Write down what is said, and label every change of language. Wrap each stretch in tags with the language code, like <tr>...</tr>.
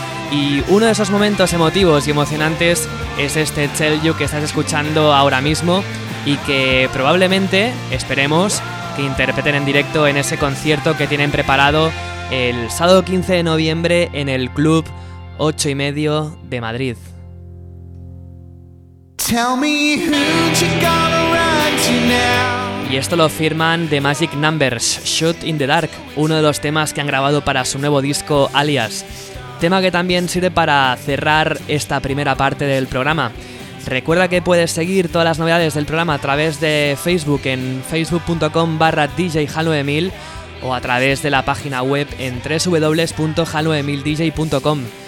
<es>Y uno de esos momentos emotivos y emocionantes es este Tell You que estás escuchando ahora mismo y que probablemente, esperemos, que interpreten en directo en ese concierto que tienen preparado el sábado 15 de noviembre en el Club 8 y medio de Madrid.</es> <en>Tell me who you gonna run to now.</en> <es>Y esto lo firman The Magic Numbers, Shoot in the Dark, uno de los temas que han grabado para su nuevo disco Alias. Tema que también sirve para cerrar esta primera parte del programa. Recuerda que puedes seguir todas las novedades del programa a través de Facebook en facebook.com/DJHalo9000 o a través de la página web en www.halo9000dj.com.</es>